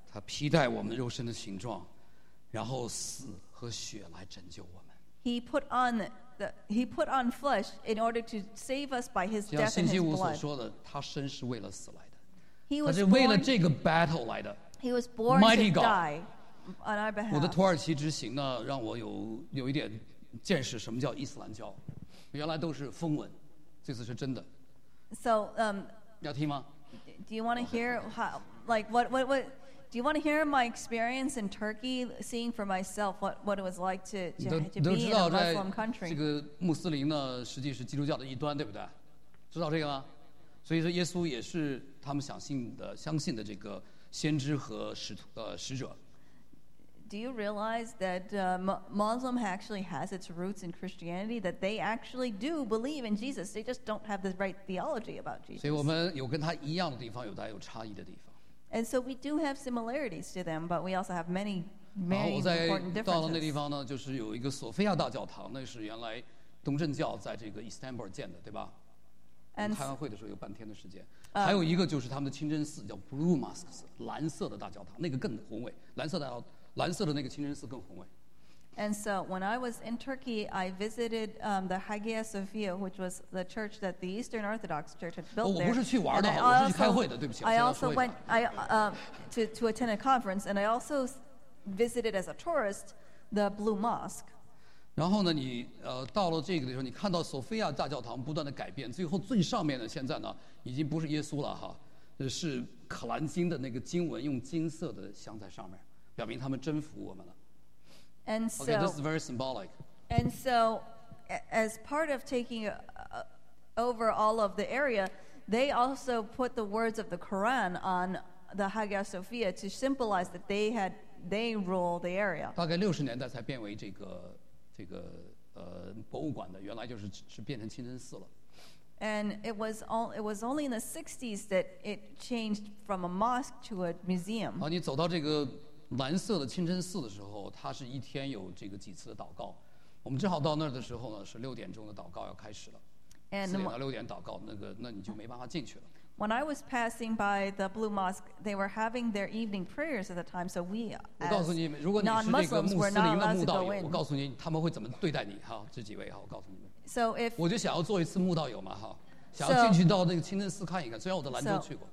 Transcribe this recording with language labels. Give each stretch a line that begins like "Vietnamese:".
Chinese: 他披戴我们肉身的形状，然后死和血来拯救我们。
English: He put on flesh in order to save us by his death and his blood.
Chinese: 像星期五所说的，他身是为了死来的。他是为了这个 battle 来的。
English: He was born to die on our behalf.
Chinese: 我的土耳其之行呢，让我有一点见识，什么叫伊斯兰教？原来都是风闻，这次是真的。
English: So,
Chinese: 要听吗
English: ？Do you want to hear what? Do you want to hear my experience in Turkey, seeing for myself what it was like to be in a Muslim country?
Chinese: 这个穆斯林呢，实际是基督教的一端，对不对？知道这个吗？所以说，耶稣也是他们相信的这个先知和使者。
English: Do you realize that Muslim actually has its roots in Christianity? That they actually do believe in Jesus. They just don't have the right theology about Jesus.
Chinese: 所以我们有跟他一样的地方，有大有差异的地方。
English: And so we do have similarities to them, but we also have many, many important differences.
Chinese: 到了那地方呢，就是有一个索菲亚大教堂，那是原来东正教在这个 Istanbul 建的，对吧？开完会的时候有半天的时间。还有一个就是他们的清真寺叫 Blue Mosque， 蓝色的大教堂，那个更宏伟。蓝色的那个清真寺更宏伟。
English: And so when I was in Turkey, I visited the Hagia Sophia, which was the church that the Eastern Orthodox Church had built there.
Chinese: 我不是去玩的，我是去开会的。对不起。
English: I also went to attend a conference, and I also visited as a tourist the Blue Mosque.
Chinese: 然后呢，你到了这个的时候，你看到索菲亚大教堂不断的改变，最后最上面的现在呢，已经不是耶稣了哈，是可兰经的那个经文用金色的镶在上面，表明他们征服我们了。
English: And so, okay, this is very symbolic. And so, as part of taking over all of the area, they also put the words of the Quran on the Hagia Sophia to symbolize that they rule the area.
Chinese: 大概六十年代才变为这个。这个博物馆的原来就是变成清真寺了。
English: And it was only in the 60s that it changed from a mosque to a museum.
Chinese: 啊，你走到这个蓝色的清真寺的时候，它是一天有这个几次的祷告。我们正好到那儿的时候呢，是六点钟的祷告要开始了。四点到六点祷告，那你就没办法进去了。
English: When I was passing by the Blue Mosque, they were having their evening prayers at the time, so we, as non-Muslims, were not allowed to go in.
Chinese: 我告诉你，他们会怎么对待你哈，这几位哈，我告诉你们。
English: So if
Chinese: 我就想要做一次慕道友嘛哈，想要进去到那个清真寺看一看，虽然我在兰州去过。